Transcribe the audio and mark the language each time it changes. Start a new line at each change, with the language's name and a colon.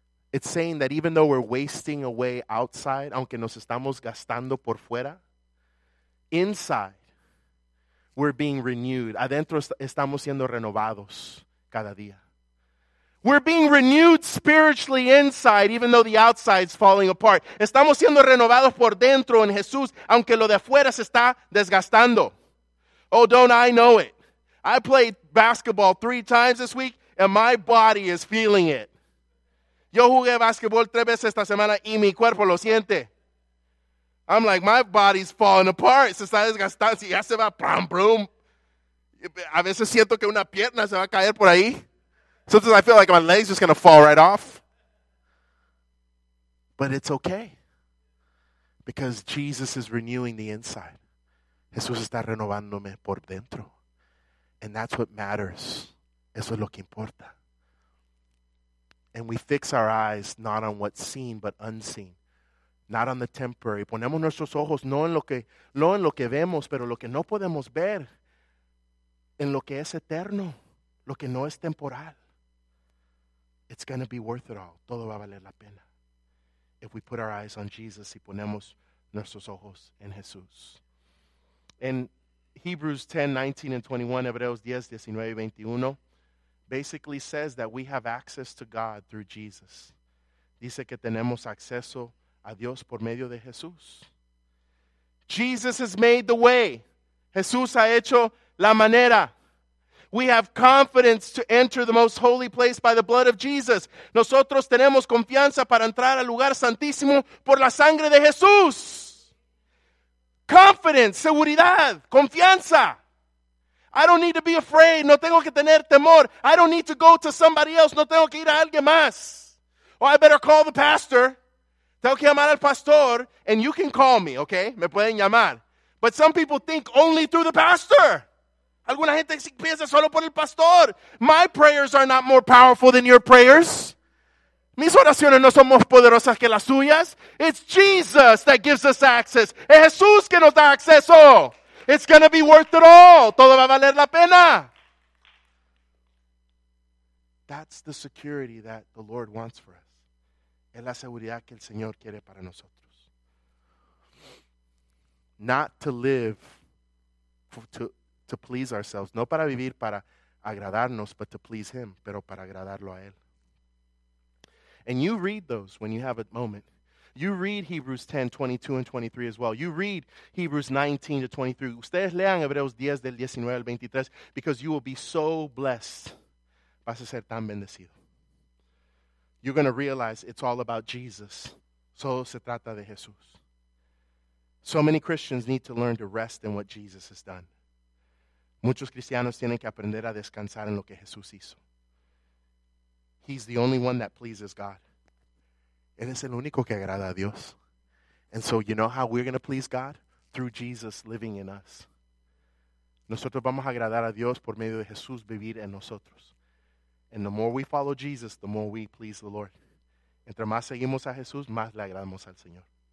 English: It's saying that even though we're wasting away outside,
Spanish: aunque nos estamos gastando por fuera,
English: inside, we're being renewed.
Spanish: Adentro estamos siendo renovados cada día.
English: We're being renewed spiritually inside, even though the outside's falling apart.
Spanish: Estamos siendo renovados por dentro en Jesús, aunque lo de afuera se está desgastando.
English: Oh, don't I know it. I played basketball 3 times this week, and my body is feeling it.
Spanish: Yo jugué basketball 3 veces esta semana, y mi cuerpo lo siente.
English: I'm like, my body's falling apart.
Spanish: Se está desgastando. Ya se va,
English: pam, brum.
Spanish: A veces siento que una pierna se va a caer por ahí.
English: Sometimes I feel like my leg's just going to fall right off. But it's okay. Because Jesus is renewing the inside.
Spanish: Jesús está renovándome por dentro.
English: And that's what matters.
Spanish: Eso es lo que importa.
English: And we fix our eyes not on what's seen, but unseen. Not on the temporary.
Spanish: Ponemos nuestros ojos no en lo que vemos, pero lo que no podemos ver. En lo que es eterno. Lo que no es temporal.
English: It's going to be worth it all.
Spanish: Todo va a valer la pena.
English: If we put our eyes on Jesus
Spanish: y ponemos nuestros ojos en Jesús.
English: In Hebrews 10, 19 and 21,
Spanish: Hebreos 10, 19 y 21,
English: basically says that we have access to God through Jesus.
Spanish: Dice que tenemos acceso a Dios por medio de Jesús.
English: Jesus has made the way.
Spanish: Jesús ha hecho la manera.
English: We have confidence to enter the most holy place by the blood of Jesus.
Spanish: Nosotros tenemos confianza para entrar al lugar santísimo por la sangre de Jesús.
English: Confidence, seguridad, confianza. I don't need to be afraid.
Spanish: No tengo que tener temor.
English: I don't need to go to somebody else.
Spanish: No tengo que ir a alguien más.
English: Oh, I better call the pastor.
Spanish: Tengo que llamar al pastor.
English: And you can call me, okay?
Spanish: Me pueden llamar.
English: But some people think only through the pastor.
Spanish: Alguna gente piensa solo por el pastor.
English: My prayers are not more powerful than your prayers.
Spanish: Mis oraciones no son más poderosas que las suyas.
English: It's Jesus that gives us access.
Spanish: Es Jesús que nos da acceso.
English: It's going to be worth it all.
Spanish: Todo va a valer la pena.
English: That's the security that the Lord wants for us.
Spanish: Es la seguridad que el Señor quiere para nosotros.
English: Not to live to please ourselves.
Spanish: No para vivir para agradarnos,
English: but to please Him.
Spanish: Pero para agradarlo a Él.
English: And you read those when you have a moment. You read Hebrews 10, 22 and 23 as well. You read Hebrews 19 to 23.
Spanish: Ustedes lean Hebreos 10 del 19 al 23
English: because you will be so blessed.
Spanish: Vas a ser tan bendecido.
English: You're going to realize it's all about Jesus.
Spanish: Solo se trata de Jesús.
English: So many Christians need to learn to rest in what Jesus has done.
Spanish: Muchos cristianos tienen que aprender a descansar en lo que Jesús hizo.
English: He's the only one that pleases God.
Spanish: Él es el único que agrada a Dios.
English: And so you know how we're going to please God? Through Jesus living in us.
Spanish: Nosotros vamos a agradar a Dios por medio de Jesús vivir en nosotros.
English: And the more we follow Jesus, the more we please the Lord.
Spanish: Entre más seguimos a Jesús, más le agradamos al Señor.